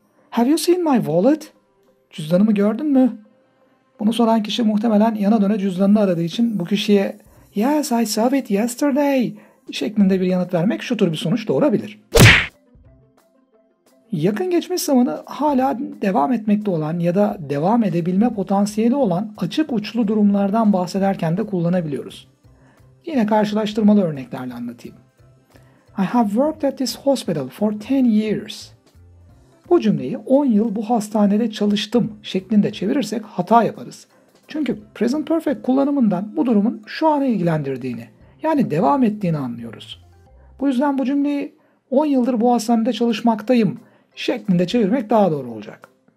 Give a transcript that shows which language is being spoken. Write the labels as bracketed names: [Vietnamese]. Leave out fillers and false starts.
[English] Have you seen my wallet? [Turkish] Cüzdanımı gördün mü? Bunu soran kişi muhtemelen yana döne cüzdanını aradığı için bu kişiye [English] Yes, I saw it yesterday [Turkish] şeklinde bir yanıt vermek şu tür bir sonuç doğurabilir. Yakın geçmiş zamanı hala devam etmekte olan ya da devam edebilme potansiyeli olan açık uçlu durumlardan bahsederken de kullanabiliyoruz. Yine karşılaştırmalı örneklerle anlatayım. [English] I have worked at this hospital for 10 years. [Turkish] Bu cümleyi 10 yıl bu hastanede çalıştım şeklinde çevirirsek hata yaparız. Çünkü present perfect kullanımından bu durumun şu ana ilgilendirdiğini, yani devam ettiğini anlıyoruz. Bu yüzden bu cümleyi 10 yıldır bu hastanede çalışmaktayım şeklinde çevirmek daha doğru olacak.